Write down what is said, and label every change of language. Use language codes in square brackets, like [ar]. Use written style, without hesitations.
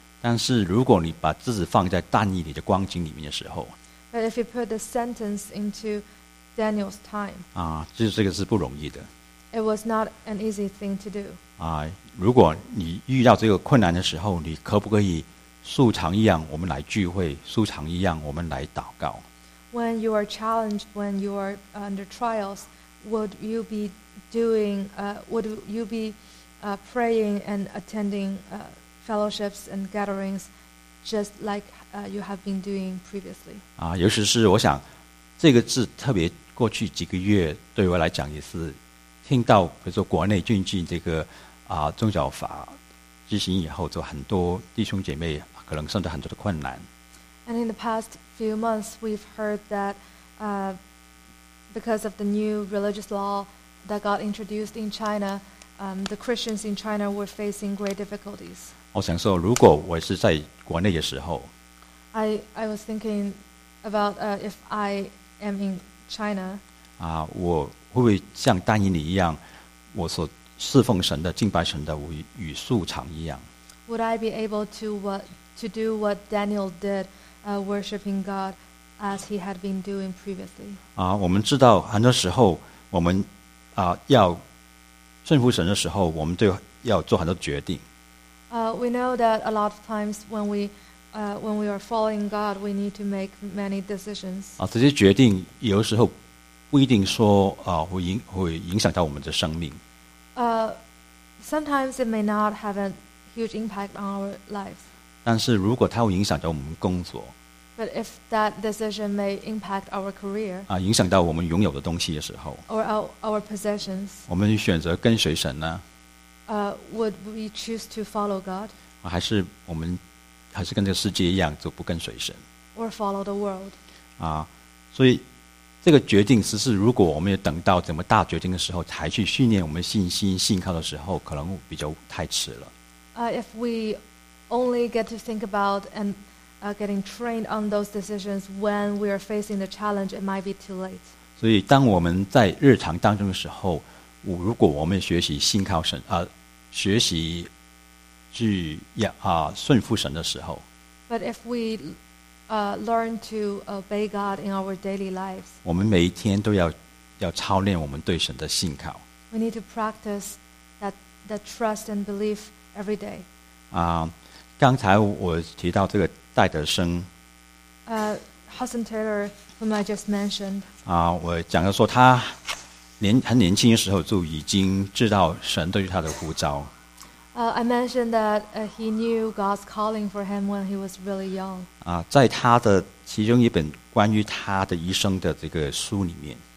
[zh] 但是如果你把自己放在但以理的光景里面的时候 [en] ，But if you put the sentence into Daniel's time. [zh] 这个是不容易的。 [en] It was not an easy thing to do. [zh] 如果你遇到这个困难的时候，你可不可以素常一样，我们来聚会，素常一样，我们来祷告 [en] ？When you are challenged, when you are under trials, would you be doing? Would you be praying and attending fellowships and gatherings, just like you have been doing previously? [zh] 尤其是我想，这个字特别过去几个月对我来讲也是。听到比如说国内进行这个宗教法执行以后，就很多弟兄姐妹可能受到很多的困难。 [en] And in the past few months, we've heard that because of the new religious law that got introduced in China, the Christians in China were facing great difficulties. [zh] 我想说，如果我是在国内的时候 [en] ，I was thinking about if I am in China. [zh] 啊，我会不会像丹尼尔一样，我所侍奉神的、敬拜神的与素常一样 [en] ？Would I be able to do what Daniel did, worshiping God as he had been doing previously? [zh] 啊，我们知道很多时候我们啊要顺服神的时候，我们都要做很多决定。 [en] We know that a lot of times when we are following God, we need to make many decisions. [zh] 啊，这些决定有时候不一定说啊会影响到我们的生命。 [en] Sometimes it may not have a huge impact on our lives. [zh] 但是如果它会影响到我们工作 [en] ，But if that decision may impact our career, [zh] 啊，影响到我们拥有的东西的时候 [en] ，or our possessions, [zh] 我们选择跟随神呢？ [en] Would we choose to follow God? [zh] 还是我们还是跟这个世界一样，就不跟随神 [en] ？Or follow the world? [zh] 啊，所以这个决定，其实如果我们也等到怎么大决定的时候，才去训练我们信心、信靠的时候，可能比较太迟了。 [en] If we only get to think about and getting trained on those decisions when we are facing the challenge, it might be too late. [zh] 所以，当我们在日常当中的时候，如果我们学习信靠神，学习去顺服神的时候 [en] ，But if we learn to obey God in our daily lives， [zh] 我们每一天都要操练我们对神的信靠。 [en] We need to practice that trust and belief every day。 [zh] 啊，刚才我提到这个戴德生 [en] ，Hudson Taylor， whom I just mentioned。 [zh] 啊，我讲的说他。很年轻的时候就已经知道神对于他的呼召。 [en] I mentioned that he knew God's calling for him when he was really young. [zh] 啊，在他的其中一本关于他的一生的这个书里面